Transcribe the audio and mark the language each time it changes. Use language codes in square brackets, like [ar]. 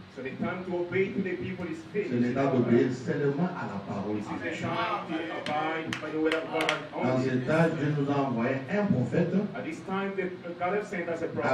[en] So the time to obey to the people is finished. [fr] Ce n'est pas d'obéir seulement à la parole. [en] This is the time to abide by the word of God. [fr] Dans ce temps, Dieu nous a envoyé un prophète. [en] At this time, the God has sent us a prophet.